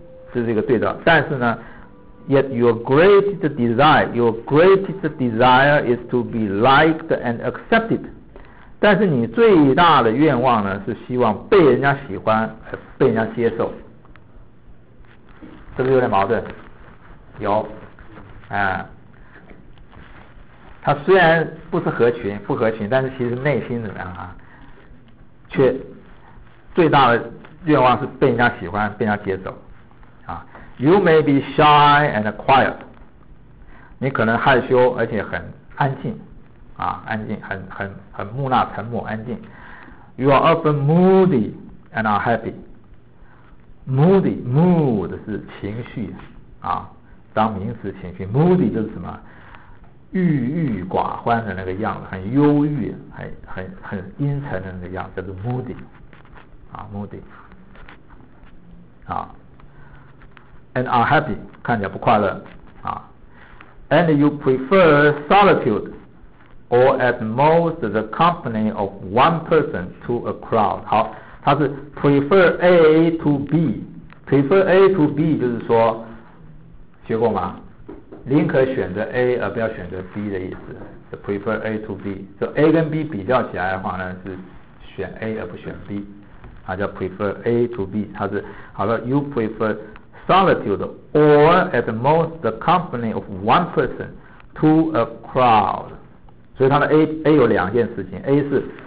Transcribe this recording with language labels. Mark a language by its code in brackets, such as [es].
[zh] 这是一个对的，但是呢 [en] ，yet your greatest desire is to be liked and accepted。 [zh] 但是你最大的愿望呢，是希望被人家喜欢，被人家接受。是不是有点矛盾？有，啊，他虽然不是合群，不合群，但是其实内心怎么样啊？却最大的愿望是被人家喜欢，被人家接受。 [en] You may be shy and quiet. [zh] 你可能害羞而且很安静，啊，安静，很木讷、沉默、安静。 [en] You are often moody and unhappy. [zh] Moody, mood 是情绪，啊，当名词情绪。 Moody 就是什么？郁郁寡欢的那个样子，很忧郁，很阴沉的那个样子，叫做 moody， 啊 ，moody， 啊。 [en] And unhappy， [zh] 看起来不快乐啊。 [en] And you prefer solitude, or at most the company of one person to a crowd。 [zh] 好，它是 [en] prefer A to B。 [zh] prefer A to B 就是说，学过吗？宁可选择 A 而不要选择 B 的意思 so prefer A to B 所、so、以 A 跟 B 比较起来的话呢是选 A 而不选 B 它叫 prefer A to B 它是好了 [en] you prefer solitude or at most the company of one person to a crowd [zh] 所以它的 A 有两件事情 A 是